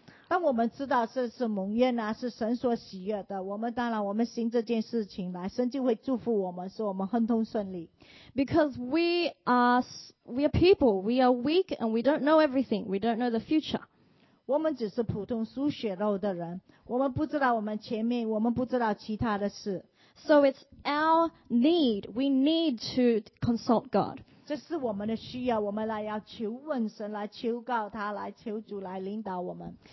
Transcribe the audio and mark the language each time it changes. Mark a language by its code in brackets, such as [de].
[zh] 当我们知道这是蒙悦纳，是神所喜悦的，我们当然我们行这件事情来，神就会祝福我们，使我们亨通顺利。 [en] Because we are people, we are weak and we don't know everything, we don't know the future. [zh] 我们只是普通属血肉的人，我们不知道我们前面，我们不知道其他的事。 [en] So it's our need. We need to consult God. [zh] 这是我们的需要，我们来要求问神，来求告他，来求主来领导我们。